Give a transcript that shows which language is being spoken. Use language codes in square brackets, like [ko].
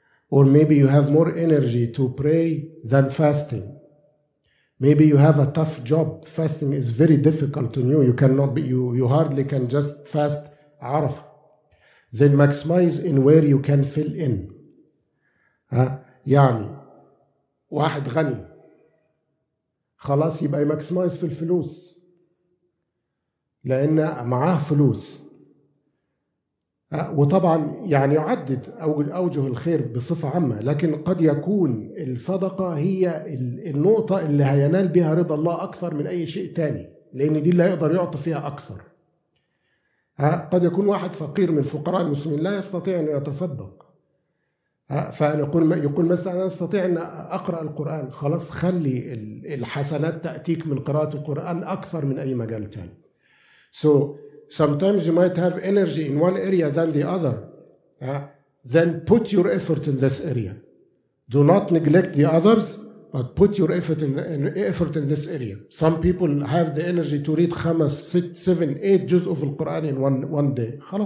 [en] Or maybe you have more energy to pray than fasting. Maybe you have a tough job. Fasting is very difficult to you. You cannot be, you hardly can just fast Arafah. Then maximize in where you can fill in. [ar] يعني واحد غني خلاص يبقى يماكسمايز في الفلوس لأن معاه فلوس وطبعا يعني يعدد أوجه الخير بصفة عامة لكن قد يكون الصدقة هي النقطة اللي هينال بها رضا الله أكثر من أي شيء تاني لأن دي اللي هيقدر يعطي فيها أكثر. قد يكون واحد فقير من فقراء المسلمين لا يستطيع أن يتصدق فيقول يقول مثلا أنا أستطيع أن أقرأ القرآن خلاص خلي الحسنات تأتيك من قراءة القرآن أكثر من أي مجال تاني. [en] So sometimes you might have energy in one area than the other. Then put your effort in this area. Do not neglect the others, but put your effort in this area. Some people have the energy to read 5, 6, 7, 8 juz of the Quran in one day.